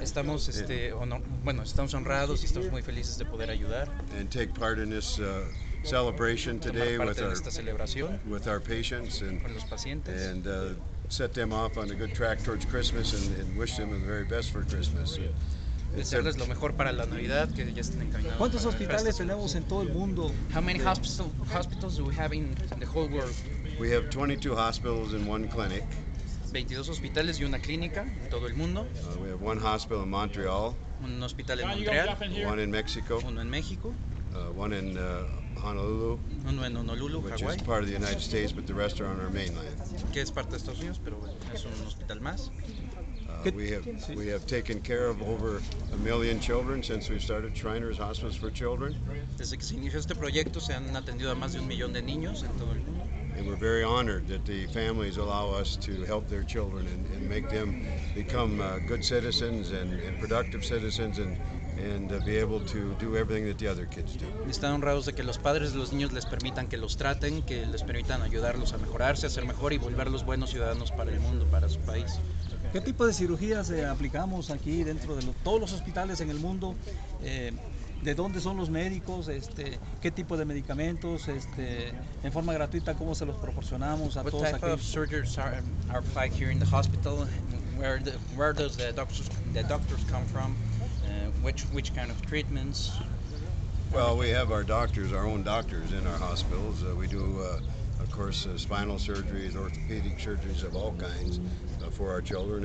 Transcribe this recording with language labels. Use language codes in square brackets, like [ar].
[es] Estamos estamos honrados y estamos muy felices de poder ayudar. [en] And take part in this celebration today with our patients and [es] con los pacientes. [en] And set them off on a good track towards Christmas and wish them the very best for Christmas. [es] Desearles lo mejor para la Navidad, que ya estén encaminados. ¿Cuántos hospitales tenemos en todo el mundo? [en] How many hospitals do we have in the whole world? We have 22 hospitals and one clinic. [es] 22 hospitales y una clínica en todo el mundo. [en] We have one hospital in Montreal. [es] Un hospital en Montreal. [en] One in Mexico. [es] Uno en México. [en] One in Honolulu. [es] Uno en Honolulu, [en] which Hawaii. Is part of the United States, but the rest are on our mainland. [es] Que es parte de Estados Unidos, pero es un hospital más. [en] We have taken care of over a million children since we started Shriners Hospice for Children. [es] Desde que se inició este proyecto se han atendido a más de un millón de niños en todo el mundo. [en] And we're very honored that the families allow us to help their children and make them become good citizens and productive citizens and be able to do everything that the other kids do. [es] Están honrados de que los padres de los niños les permitan que los traten, que les permitan ayudarlos a mejorarse, a ser mejor y volverlos buenos ciudadanos para el mundo, para su país. ¿Qué tipo de cirugías aplicamos aquí dentro de todos los hospitales en el mundo? ¿De dónde son los médicos? ¿Qué tipo de medicamentos? ¿En forma gratuita cómo se los proporcionamos a [en] what [es] todos aquí? [en] What type of surgeries are applied here in the hospital? Where does the doctors come from? Which kind of treatments? Well, we have our own doctors in our hospitals. We do, of course, spinal surgeries, orthopedic surgeries of all kinds for our children.